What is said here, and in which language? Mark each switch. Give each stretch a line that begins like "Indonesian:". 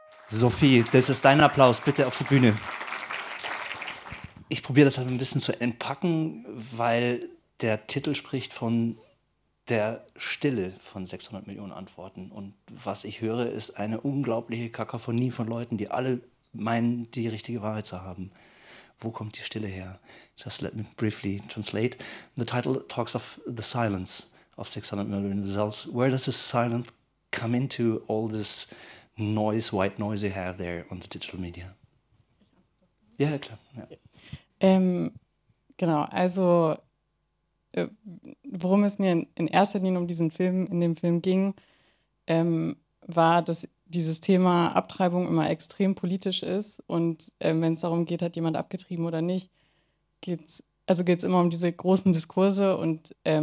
German: Sophie, das ist dein Applaus, bitte auf die Bühne. Ich probiere das halt ein bisschen zu entpacken, weil der Titel spricht von der Stille von 600 Millionen Antworten. Und was ich höre, ist eine unglaubliche Kakophonie von Leuten, die alle meinen, die richtige Wahrheit zu haben. Wo kommt die Stille her?
English: Just let me briefly translate. The title talks of the silence of 600 million results. Where does this silence come into all this noise, white noise you have there on the digital media? Ja, yeah, klar. Yeah.
German: Genau, also worum es mir in erster Linie um diesen Film, in dem Film ging, war, dass dieses Thema Abtreibung immer extrem politisch ist und wenn es darum geht, hat jemand abgetrieben oder nicht, geht es immer um diese großen Diskurse und